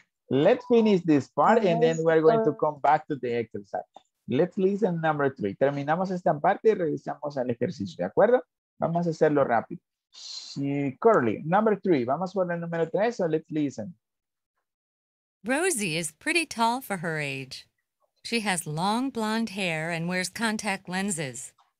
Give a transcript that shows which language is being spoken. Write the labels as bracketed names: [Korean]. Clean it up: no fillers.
[English] Let's finish this part and then we're going to come back to the exercise. Let's listen number three. [Spanish] Terminamos esta parte y regresamos al ejercicio, ¿de acuerdo? Vamos a hacerlo rápido. Curly, [English] number three. [Spanish] Vamos por el número tres o [English] let's listen. Rosie is pretty tall for her age. She has long blonde hair and wears contact lenses.